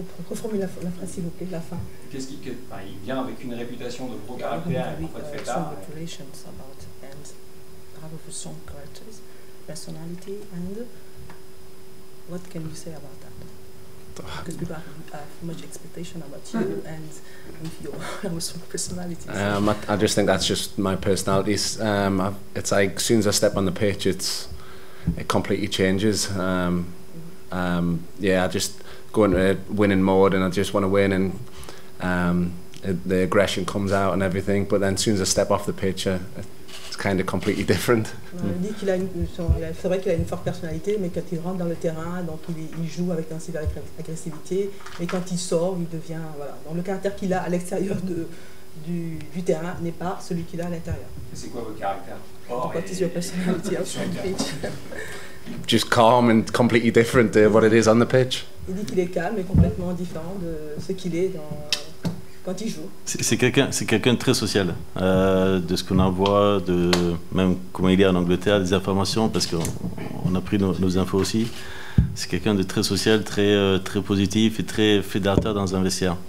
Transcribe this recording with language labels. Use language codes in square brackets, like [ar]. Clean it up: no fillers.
[fr] Reformule la phrase, s'il vous plaît, la fin. Qu'est-ce qu'il il vient avec une réputation de gros caractère et en fait fait ça. [en] Reputations about and have a strong character, personality and what can you say about that? Because people have much expectation about you and with your strong personality. I just think that's just my personality. It's like as soon as I step on the pitch, it completely changes. I just go into a winning mode and I just want to win and the aggression comes out and everything. But then as soon as I step off the pitch, it's kind of completely different. [fr] C'est vrai qu'il a une forte personnalité, mais quand il rentre dans le terrain, donc il joue avec une certaine agressivité, et quand il sort, il devient, voilà. Donc le caractère qu'il a à l'extérieur du terrain n'est pas celui qu'il a à l'intérieur. C'est quoi votre caractère? [en] What is your personality on the pitch? Just calm and completely different to what it is on the pitch. [fr] Il dit qu'il est calme et complètement différent de ce qu'il est dans... quand il joue. C'est quelqu'un de très social, de ce qu'on en voit, de même comment il est en Angleterre, des informations, parce qu'on a pris nos infos aussi. C'est quelqu'un de très social, très, très positif et très fédérateur dans un vestiaire.